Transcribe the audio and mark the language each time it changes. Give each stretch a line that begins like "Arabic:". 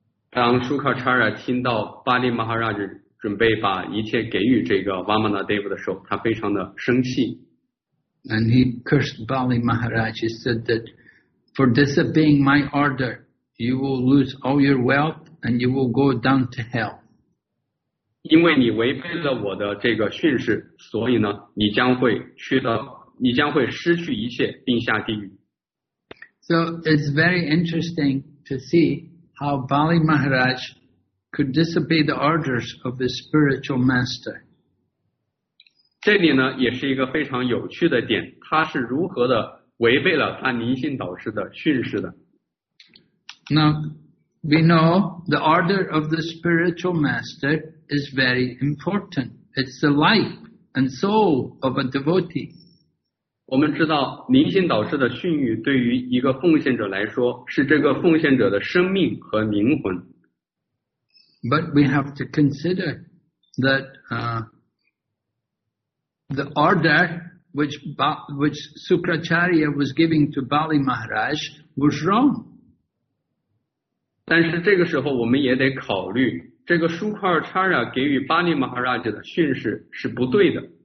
Chinese: 当 Sukracharya 听到巴利马哈拉就准备把一切给予这个 Vamanadeva 的时候，他非常的生气。
English: And he cursed Bali Maharaj. He said that for disobeying my order, you will lose all your wealth and you will go down to hell.
Chinese: 因为你违背了我的这个训示，所以呢，你将会失去一切，并下地狱。
English: So it's very interesting to see how Bali Maharaj could disobey the orders of his spiritual master.
Chinese: 这里呢，也是一个非常有趣的点，他是如何的违背了他灵性导师的训示的。
English: Now, we know the order of the spiritual master is very important. It's the life and soul of a devotee.
Chinese: 我们知道灵性导师的训谕对于一个奉献者来说是这个奉献者的生命和灵魂。
English: But we have to consider that the order which Sukracharya was giving to Bali Maharaj was wrong.
Chinese: 但是这个时候我们也得考虑，这个 Sukracharya 给予 Bali Maharaj 的训示是不对的。